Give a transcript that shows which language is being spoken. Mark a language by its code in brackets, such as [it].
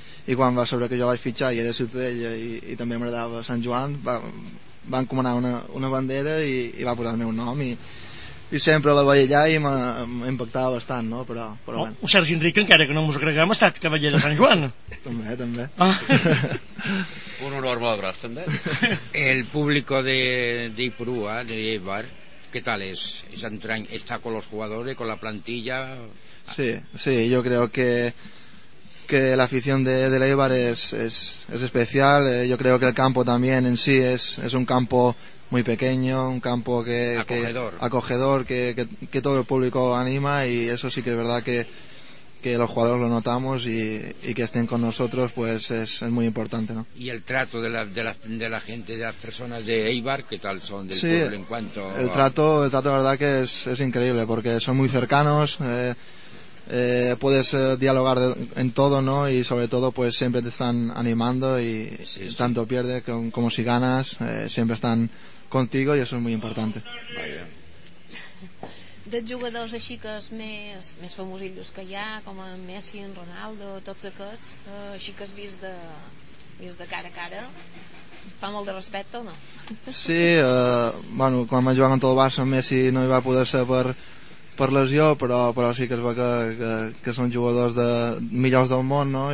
[ca] I quan va saber que jo vaig fitxar i era Ciutadella i també m'agradava Sant Joan, va encomanar una bandera i va posar el meu nom i sempre la veia allà i m'impactava bastant, no? Però bueno. Un Sergi Enric, encara que no mos ho creguem, ha estat cavaller de Sant Joan. també. Ah. Un honor molt gros, també. [es] El público de Ipurúa, de Eibar, ¿qué tal es? ¿Está con los jugadores, con la plantilla? Sí, yo creo que la afición de Eibar es especial. Yo creo que el campo también en sí es un campo muy pequeño, un campo acogedor que todo el público anima, y eso sí que es verdad que los jugadores lo notamos y que estén con nosotros pues es muy importante, ¿no? Y el trato de la gente, de las personas de Eibar, ¿qué tal son del sí, pueblo en cuanto a... el trato la verdad que es increíble, porque son muy cercanos. Puedes dialogar en todo, ¿no? Y sobre todo pues siempre te están animando y sí. Tanto pierdes como si ganas, siempre están contigo y eso es muy importante. [ca] De jugadors així que els més famosillos que hi ha, com en Messi, en Ronaldo, tots aquests, així que has vist de cara a cara, fa molt de respecte o no? Sí, bueno, quan vaig jugar contra el Barça, en Messi no hi va poder ser per lesió, però sí que es veu que són jugadors de millors del món, no?